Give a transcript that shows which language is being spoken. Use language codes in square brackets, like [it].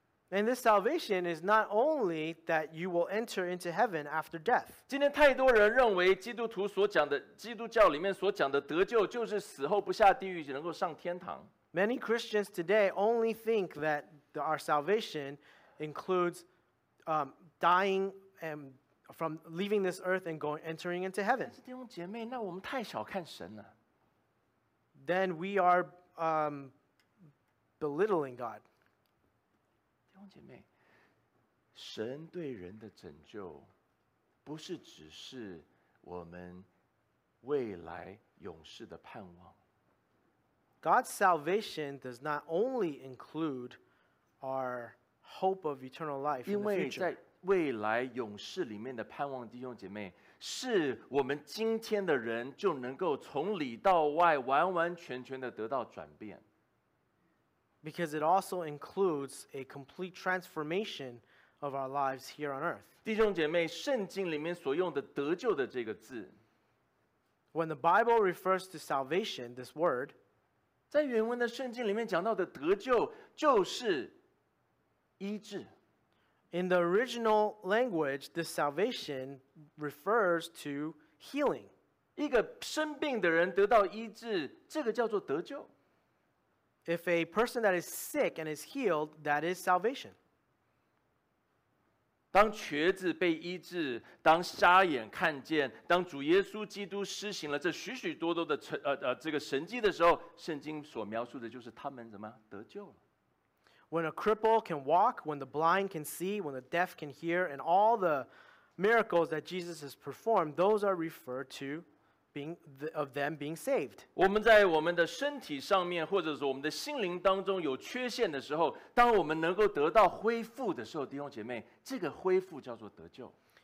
[en] And this salvation is not only that you will enter into heaven after death. [zh] 今天太多人认为基督徒所讲的基督教里面所讲的得救就是死后不下地狱能够上天堂。 [en] Many Christians today only think that our salvation includes dying and. From leaving this earth and entering into heaven. [zh] 但是弟兄姐妹，那我们太小看神了。 [en] Then we are belittling God. [zh] 弟兄姐妹，神对人的拯救，不是只是我们未来永世的盼望。 [en] God's salvation does not only include our hope of eternal life in the future. [zh] 因为在未来永世里面的盼望，弟兄姐妹，是我们今天的人就能够从里到外完完全全的得到转变。 [en] Because it also includes a complete transformation of our lives here on earth. [zh] 弟兄姐妹，圣经里面所用的得救的这个字 [en] ，When the Bible refers to salvation, this word, [zh] 在原文的圣经里面讲到的得救就是医治。 [en] In the original language, the salvation refers to healing. [zh] 一个生病的人得到医治，这个叫做得救。 [en] If a person that is sick and is healed, that is salvation. [zh] 当瘸子被医治，当瞎眼看见，当主耶稣基督施行了这许许多多的这个神迹的时候，圣经所描述的就是他们怎么得救了。 [en] When a cripple can walk, when the blind can see, when the deaf can hear, and all the miracles that Jesus has performed, those are referred to of them being saved. [zh] 我们在我们的身体上面，或者是我们的心灵当中有缺陷的时候，当我们能够得到恢复的时候，弟兄姐妹，这个恢复叫做得救。